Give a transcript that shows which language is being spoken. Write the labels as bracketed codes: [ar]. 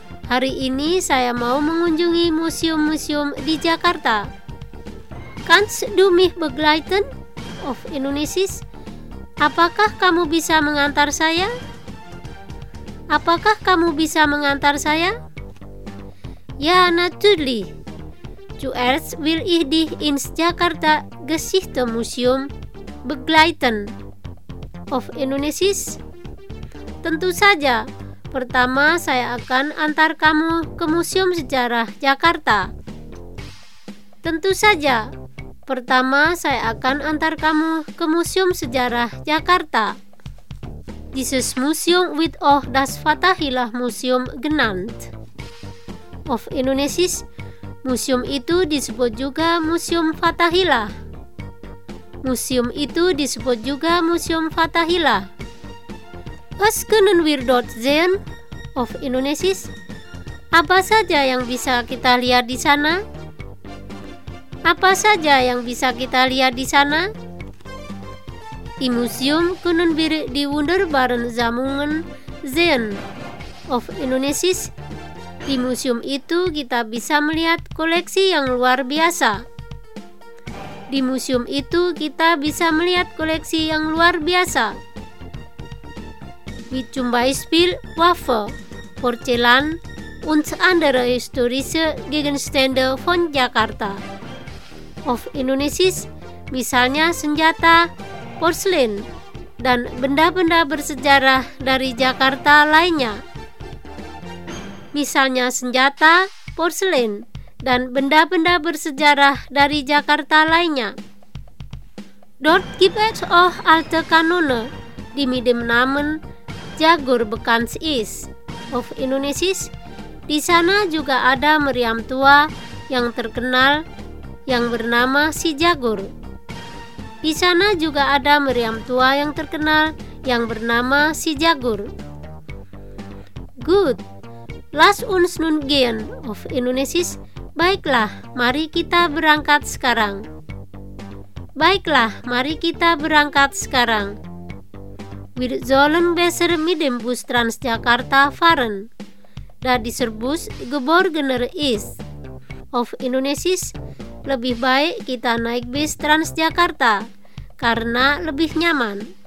[id] Hari ini saya mau mengunjungi museum-museum di Jakarta. [de] Kannst du mich begleiten? Auf Indonesisch, [id] apakah kamu bisa mengantar saya? Apakah kamu bisa mengantar saya? [de] Ja, natürlich. Zuerst will ich dich ins Jakarta Geschichte Museum begleiten. Auf Indonesisch, [id] tentu saja. Pertama, saya akan antar kamu ke Museum Sejarah Jakarta. Tentu saja. Pertama, saya akan antar kamu ke Museum Sejarah Jakarta. [de] Dieses Museum wird auch das Fathahilah Museum genannt. Auf Indonesisch, [id] museum itu disebut juga Museum Fathahilah. Museum itu disebut juga Museum Fathahilah. [de] Was können wir dort sehen? Auf Indonesisch, [id] apa saja yang bisa kita lihat di sana? Apa saja yang bisa kita lihat di sana? [de] Di museum können wir die wunderbaren Sammlungen sehen. Auf Indonesisch, [id] di museum itu kita bisa melihat koleksi yang luar biasa. Di museum itu kita bisa melihat koleksi yang luar biasa. [de] Wie zum Beispiel Waffe, Porzellan, und andere historische Gegenstände von Jakarta. Auf Indonesisch [id] misalnya senjata, porselen, dan benda-benda bersejarah dari Jakarta lainnya. Misalnya senjata, porselen, dan benda-benda bersejarah dari Jakarta lainnya. [de] Dort gibt es auch alte Kanone, die mit dem Namen Jagur bekannt ist. Auf Indonesisch, [id] di sana juga ada meriam tua yang terkenal yang bernama si Jagur. Di sana juga ada meriam tua yang terkenal yang bernama si Jagur. [de] Gut, lass uns nun gehen. Auf Indonesisch, [id] baiklah, mari kita berangkat sekarang. Baiklah, mari kita berangkat sekarang. [de] Wir sollen besser mit dem Bus Transjakarta fahren, da dieser Bus geborgener ist. [id] Auf Indonesisch, lebih baik kita naik bis Transjakarta, karena lebih nyaman.